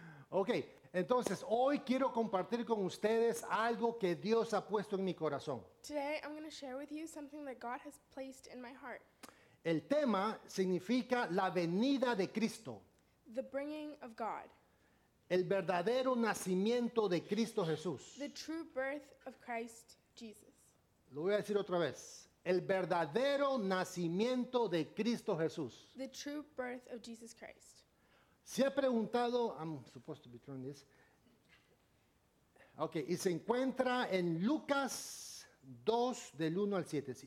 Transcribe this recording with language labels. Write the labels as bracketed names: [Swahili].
[Spanish] Okay, entonces hoy quiero compartir con ustedes algo que Dios ha puesto en mi corazón. [English] Today I'm going to share with you something that God has placed in my heart. [Spanish] El tema significa la venida de Cristo. [English] The bringing of God. [Spanish] El verdadero nacimiento de Cristo Jesús. [English] The true birth of Christ Jesus. [Spanish] Lo voy a decir otra vez. El verdadero nacimiento de Cristo Jesús. [English] The true birth of Jesus Christ. [Spanish] Se ha preguntado, [English] I'm supposed to be turning this. [Spanish] Okay, y se encuentra en Lucas 2, del 1 al 7.